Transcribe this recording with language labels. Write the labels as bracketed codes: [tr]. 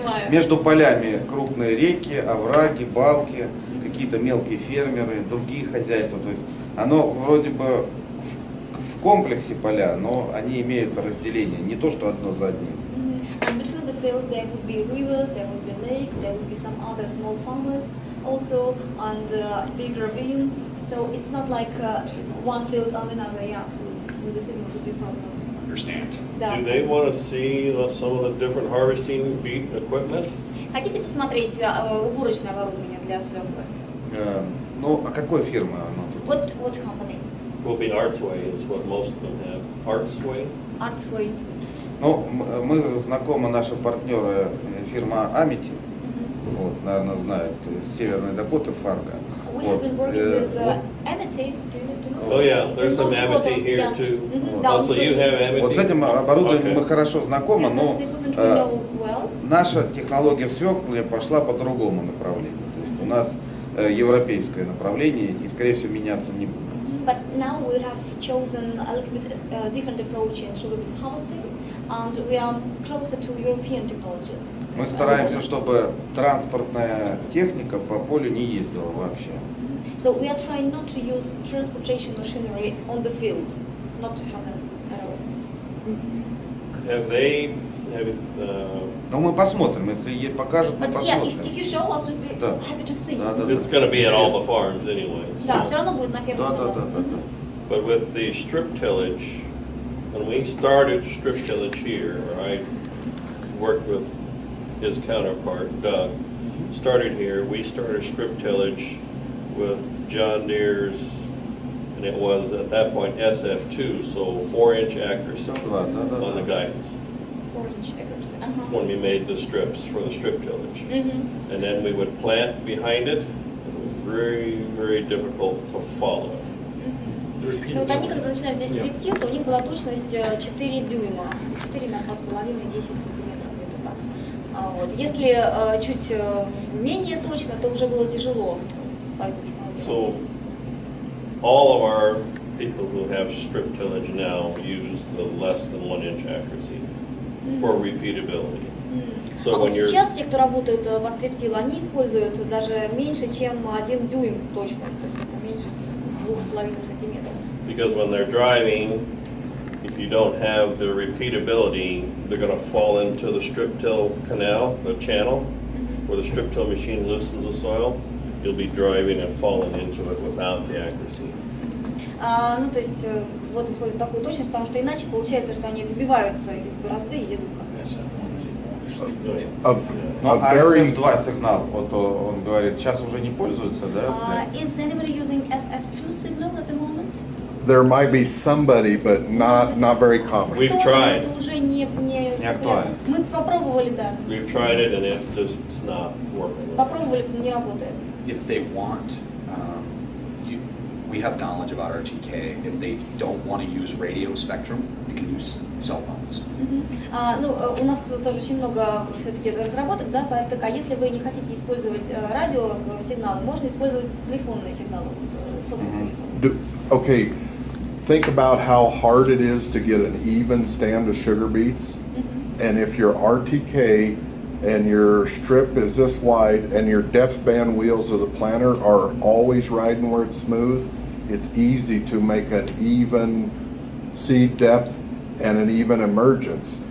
[ru] Между полями крупные реки, овраги, балки, какие-то мелкие фермеры, другие хозяйства. То есть оно вроде бы в комплексе поля, но они имеют разделение, не то что одно за одним. [en] And between the field there would be rivers, there would be lakes, there would be some other small farmers also, and big ravines. So it's not like one field on another, yeah, with the same would be problem. Understand. Do they want to see some of the different harvesting equipment? [ru] Хотите посмотреть уборочное оборудование для свёклы? Ну, а какой фирмы оно? [en] What company? Will be Artsway is what most of them have. Artsway? Artsway. [ru] Ну, мы знакомы, наши партнеры, фирма Амити, вот, наверное, знают, из Северной Дакоты, Фарго. [en] We have been working with Amity. Oh yeah, there's some Amity here too. Also, you have Amity. [ru] Вот с этим оборудованием мы хорошо знакомы, но наша технология в свекле пошла по другому направлению. То есть у нас европейское направление и, скорее всего, меняться не будет. [en] But now we have chosen a little bit different approach in sugar beet harvesting, and we are closer to European technologies. [ru] Мы стараемся, чтобы транспортная техника по полю не ездила вообще. [en] So we are trying not to use transportation machinery on the fields, not to have them at all. [ru] Но мы посмотрим, если ей покажут, мы посмотрим. [en] But yeah, if you show us, we'd be happy to see. It's going to be at all the farms anyway. [ru] Да, все равно будет на фермах. Да. [en] But with the strip tillage, when we started strip tillage here, I worked with his counterpart, Doug, started here. We started strip tillage with John Deere's, and it was at that point SF2, so 4-inch accuracy on the guidance. 4-inch accuracy, When we made the strips for the strip tillage. Mm-hmm. And then we would plant behind it. It was very, very difficult to follow. [ru] Ну, вот они, когда начинают здесь стриптил, то у них была точность 4 дюйма, 4 на 2,5, 10 сантиметров где-то там. А вот, если чуть менее точно, то уже было тяжело. [en] So, all of our people who have strip tillage now use the less than 1-inch accuracy for repeatability. [ru] So а вот сейчас те, кто работает в стриптиле, они используют даже меньше, чем 1 дюйм точность, то есть это меньше 2,5 сантиметров. [en] Because when they're driving, if you don't have the repeatability, they're going to fall into the strip till canal, the channel, where the strip till machine loosens the soil. You'll be driving and falling into it without the accuracy. [ru] Ну то есть вот используют такую точность, потому что иначе получается, что они забиваются из борозды и едут как. SF2 сигнал, вот он говорит, сейчас уже не пользуются, да? [en] Is anybody using SF2 signal at the moment? There might be somebody, but not very common. We've tried. [ru] Мы попробовали, да. [en] We've tried it and it just it's not working. [ru] Попробовали, не работает. [en] If they want, we have knowledge about RTK. If they don't want to use radio spectrum, you can use cell phones. [ru] Ну, у нас тоже очень много все-таки разработок, да, по RTK. Если вы не хотите использовать радио сигнал, можно использовать телефонные сигналы, сотовые телефоны. [en] Okay. Think about how hard it is to get an even stand of sugar beets, and if your RTK and your strip is this wide and your depth band wheels of the planter are always riding where it's smooth, it's easy to make an even seed depth and an even emergence.